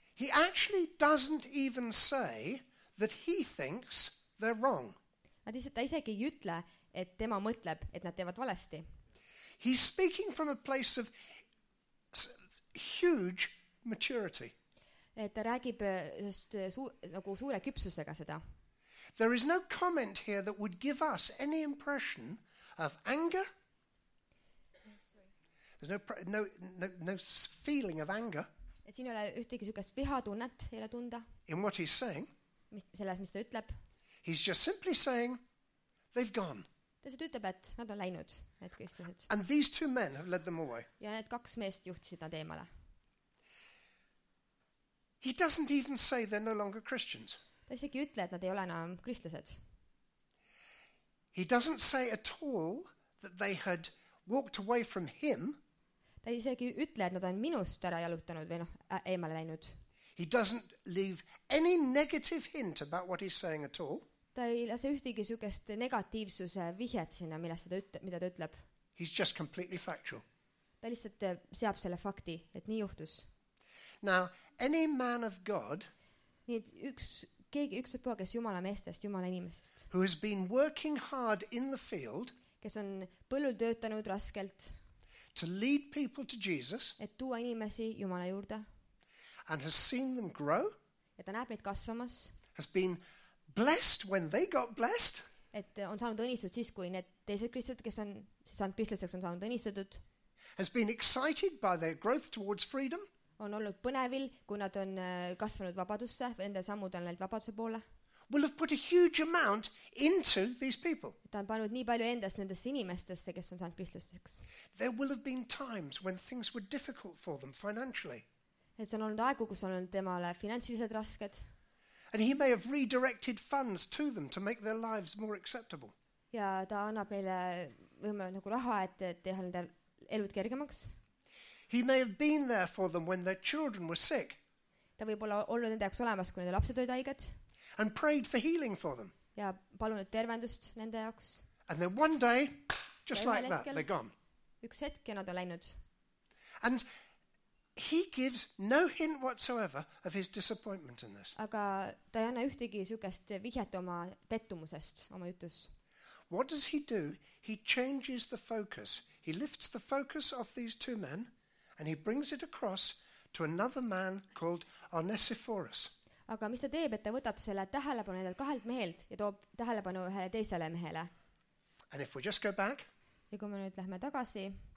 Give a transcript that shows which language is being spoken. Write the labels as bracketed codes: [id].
[en] He actually doesn't even say that he thinks they're wrong. [et] Ta isegi ei ütle, et tema mõtleb, et nad teevad valesti. [en] He's speaking from a place of huge maturity. [et] Et ta räägib nagu suure küpsusega seda. [en] There is no comment here that would give us any impression of anger. There's no feeling of anger. [et] Et siin ole ühtegi sugest vihatunnet ole tunda. [en] In what he's saying. [et] Mis ta ütleb. [en] He's just simply saying they've gone. [et] Ta seda ütleb, et nad on läinud, need kristlased. [en] And these two men have led them away. [et] Ja need kaks meest juhtisid nad eemale. [en] He doesn't even say they're no longer Christians. [et] Ta isegi ütle, et nad ei ole enam kristlased. [en] He doesn't say at all that they had walked away from him. [et] Ta isegi ütle, et nad on minust ära jalutanud või eemale läinud. [en] He doesn't leave any negative hint about what he's saying at all. [et] Ta ei lase ühtegi sugest negatiivsuse vihjet sinna, mida ta ütleb. [en] He's just completely factual. [et] Ta lihtsalt seab selle fakti, et nii juhtus. [en] Now, any man of God, [et] nii, et üks, keegi, üks poha, kes Jumala meestest, Jumala inimesest, [en] who has been working hard in the field, [et] kes on põllul töötanud raskelt, [en] to lead people to Jesus, [et] et tuua inimesi Jumala juurde, [en] and has seen them grow, [et] et ta näeb neid kasvamas, [en] has been blessed when they got blessed, [et] et on saanud õnnistud siis, kui need teised kristlased, kes on saanud kristlaseks, on saanud õnnistud, [en] has been excited by their growth towards freedom, [et] on olnud põnevil, kui nad on kasvanud vabadusse, enda sammud on läinud vabaduse poole, [en] will have put a huge amount into these people. [et] Ta on pannud nii palju endast nendesse inimestesse, kes on saanud kristlasteks. [en] There will have been times when things were difficult for them financially. [et] Et see on olnud aegu, kus on olnud temale finantsilised rasked. [en] And he may have redirected funds to them to make their lives more acceptable. [et] Ja ta annab meile võimalikult nagu raha, et teha nende elud kergemaks. [en] He may have been there for them when their children were sick. [et] Ta võib olla olnud nende jaoks olemas, kui nende lapsed olid haiged. [en] And prayed for healing for them. [et] Ja palunud tervendust nende jaoks. [en] And then one day, just ja like that, they're gone. [et] Üks hetk ja nad on läinud. [en] And he gives no hint whatsoever of his disappointment in this. [et] Aga ta ei anna ühtegi sugest vihjet oma pettumusest, oma jutus. [en] What does he do? He changes the focus. He lifts the focus of these two men and he brings it across to another man called Onesiphorus. [et] Aga mis ta teeb, et ta võtab selle tähelepanu endalt kahelt mehelt ja toob tähelepanu ühele teisele mehele. [en] And if we just go back, [et] ja kui me nüüd lähme tagasi,